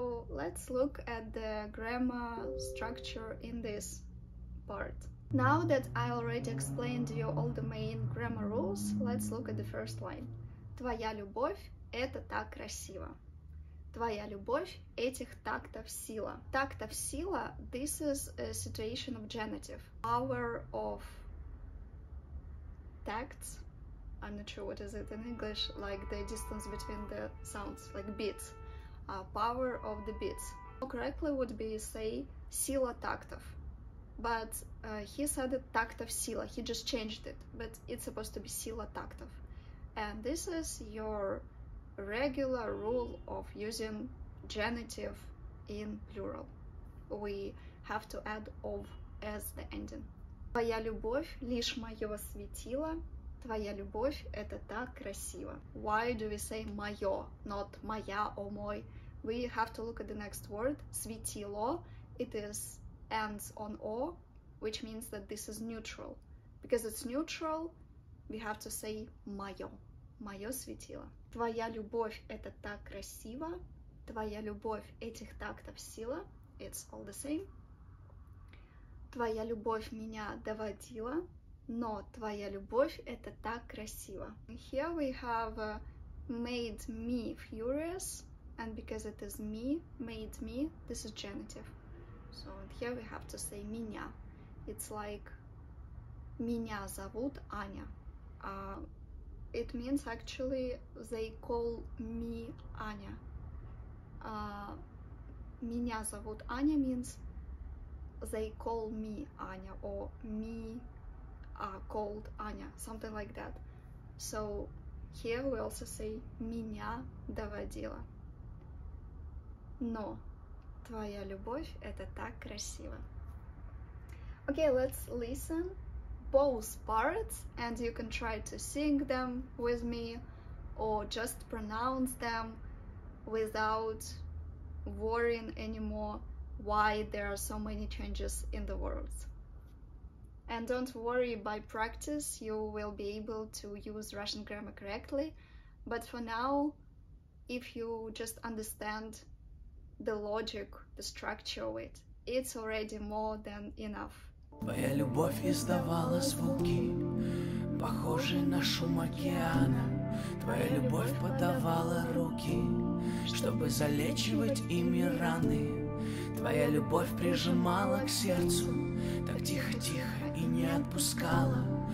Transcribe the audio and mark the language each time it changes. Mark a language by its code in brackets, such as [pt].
[en] Let's look at the grammar structure in this part. Now that I already explained you all the main grammar rules, let's look at the first line. [ru] Твоя любовь – это так красиво. Твоя любовь – этих тактов сила. Тактов сила [en] – this is a situation of genitive. Power of tacts. I'm not sure what is it in English, like the distance between the sounds, like beats. Power of the beats. More correctly would be say [ru] сила тактов, [en] but he said it [ru] тактов сила. [en] He just changed it, but it's supposed to be [ru] сила тактов. [en] And this is your regular rule of using genitive in plural. We have to add of as the ending. [ru] Твоя любовь лишь мое светило. Твоя любовь это так красиво. [en] Why do we say мое, not моя or мой? We have to look at the next word, светило. It is ends on o, which means that this is neutral. Because it's neutral, we have to say моё. [ru] Моё светило. Твоя любовь это так красиво. Твоя любовь этих тактов сила. [en] It's all the same. [ru] Твоя любовь меня доводила. Но твоя любовь это так красиво. [en] Here we have made me furious. And because it is me, made me, this is genitive. So here we have to say меня. It's like [ru] меня зовут Аня. [en] It means actually they call me Аня. [ru] Меня зовут Аня [en] means they call me Аня or me called Аня, something like that. So here we also say [ru] меня доводила. Но твоя любовь это так красиво. [en] Okay, let's listen both parts and you can try to sing them with me or just pronounce them without worrying anymore why there are so many changes in the words. And don't worry, by practice you will be able to use Russian grammar correctly, but for now, if you just understand the logic, the structure of it, it's already more than enough. [ru] Твоя любовь издавала звуки, похожие на шум океана. Твоя любовь подавала руки, чтобы залечивать ими раны. Твоя любовь прижимала к сердцу, так тихо-тихо и не отпускала.